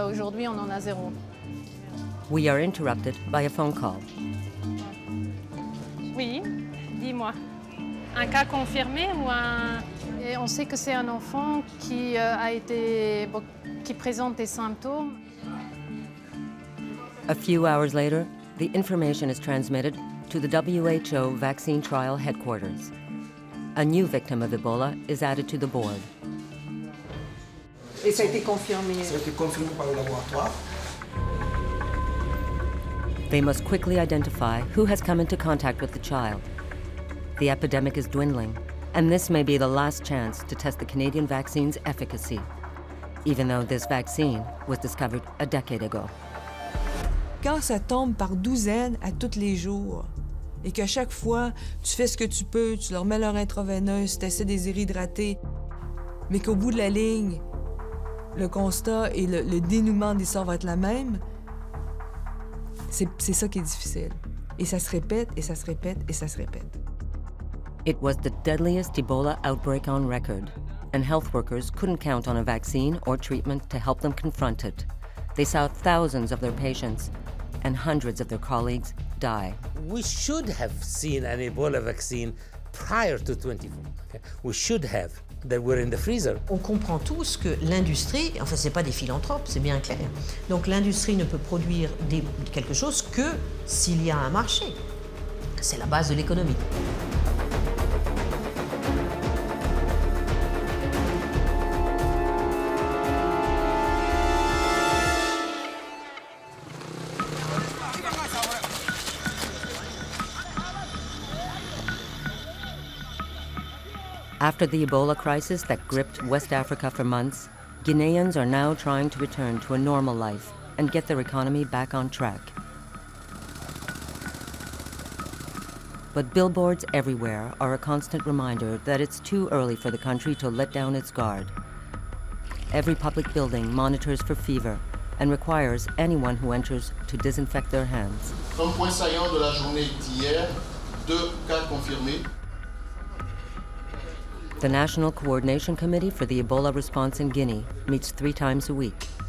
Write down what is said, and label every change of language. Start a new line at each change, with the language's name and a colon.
French: Aujourd'hui, on en a zéro.
English: We are interrupted by a phone call.
French: Oui, dis-moi. Un cas confirmé ou un... Et on sait que c'est un enfant qui a été... qui présente des symptômes.
English: A few hours later, the information is transmitted to the WHO vaccine trial headquarters. A new victim of Ebola is added to the board.
French: Et ça a été confirmé. Ça a été confirmé par le laboratoire.
English: They must quickly identify who has come into contact with the child. The epidemic is dwindling, and this may be the last chance to test the Canadian vaccine's efficacy, even though this vaccine was discovered a decade ago.
French: Quand ça tombe par douzaines à tous les jours, et qu'à chaque fois, tu fais ce que tu peux, tu leur mets leur intraveineuse, tu essaies de les réhydrater, mais qu'au bout de la ligne, le constat et le dénouement des sorts va être la même, c'est ça qui est difficile. Et ça se répète, et ça se répète, et ça se répète.
English: It was the deadliest Ebola outbreak on record, and health workers couldn't count on a vaccine or treatment to help them confront it. They saw thousands of their patients and hundreds of their colleagues die. We should have seen an Ebola vaccine prior to 24. Okay? We should have. That were in the freezer.
French: On comprend tous que l'industrie, enfin c'est pas des philanthropes, c'est bien clair. Donc l'industrie ne peut produire quelque chose que s'il y a un marché. C'est la base de l'économie.
English: After the Ebola crisis that gripped West Africa for months, Guineans are now trying to return to a normal life and get their economy back on track. But billboards everywhere are a constant reminder that it's too early for the country to let down its guard. Every public building monitors for fever and requires anyone who enters to disinfect their hands.
French: Comme point saillant de la journée d'hier, deux cas confirmés.
English: The National Coordination Committee for the Ebola Response in Guinea meets three times a week.